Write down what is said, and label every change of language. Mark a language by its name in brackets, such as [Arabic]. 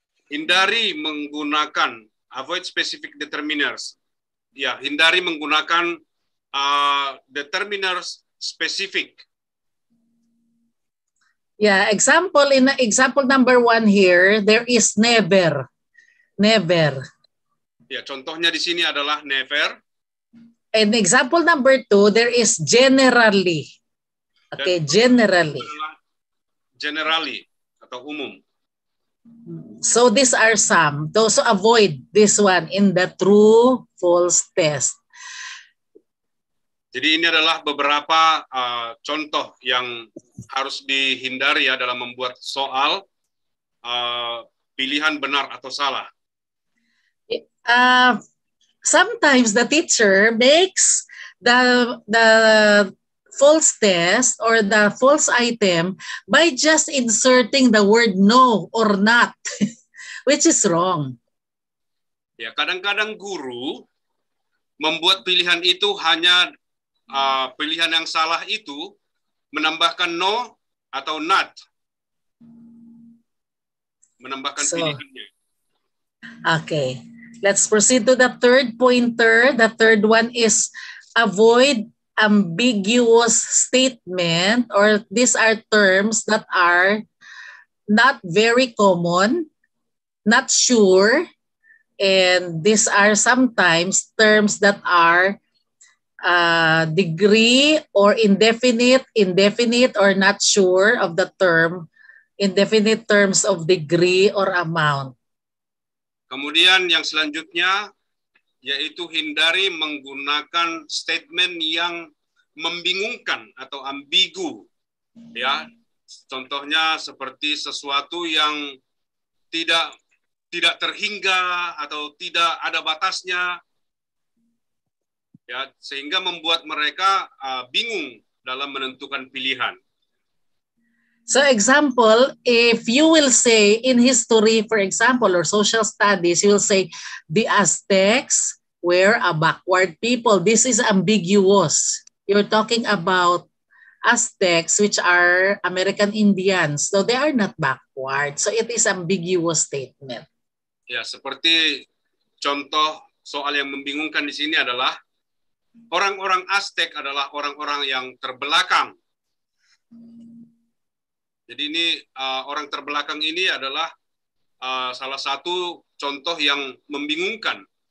[Indonesian] Hindari menggunakan, [English] avoid specific determiners. [Indonesian] Ya, hindari menggunakan determiners specific. [English] Ya, example, in example number one here, there is never. Never. [Indonesian] Ya, contohnya di sini adalah never. [English] And example number two, there is generally. Okay, dan generally. [Indonesian] Generally, atau umum. [English] So these are some. To so avoid this one in the true false test. [Indonesian] Jadi ini adalah beberapa contoh yang harus dihindari ya dalam membuat soal pilihan benar atau salah. [English] Sometimes the teacher makes the false test or the false item by just inserting the word no or not, which is wrong. [Indonesian] Ya, kadang-kadang guru membuat pilihan itu hanya pilihan yang salah itu menambahkan no atau not. Menambahkan so, pilihannya. [English] Okay, let's proceed to the third pointer. The third one is avoid ambiguous statement, or these are terms that are not very common, not sure, and these are sometimes terms that are degree or indefinite or not sure of the term, indefinite terms of degree or amount. [Indonesian] Kemudian yang selanjutnya yaitu hindari menggunakan statement yang membingungkan atau ambigu, ya. Contohnya seperti sesuatu yang tidak terhingga atau tidak ada batasnya, ya, sehingga membuat mereka bingung dalam menentukan pilihan. [English] So example, if you will say in history, for example, or social studies, you will say the Aztecs were a backward people. This is ambiguous. You're talking about Aztecs, which are American Indians. So they are not backward. So it is ambiguous statement. [Indonesian] Ya, seperti contoh soal yang membingungkan di sini adalah orang-orang Aztec adalah orang-orang yang terbelakang. Jadi ini orang terbelakang ini adalah salah satu contoh yang membingungkan.